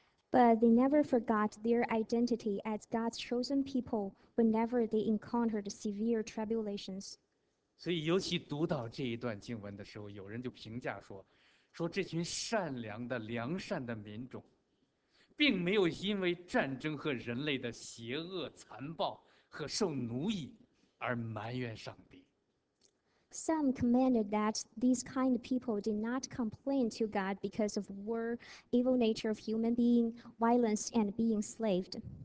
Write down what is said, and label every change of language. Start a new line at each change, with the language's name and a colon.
English: But they never forgot their identity as God's chosen people whenever they encountered severe tribulations.
Chinese: 所以尤其读到这一段经文的时候，有人就评价说，说这群善良的、良善的民众，并没有因为战争和人类的邪恶残暴和受奴役而埋怨上帝。
English: Some commanded that these kind of people did not complain to God because of war, evil nature of human being, violence, and being enslaved.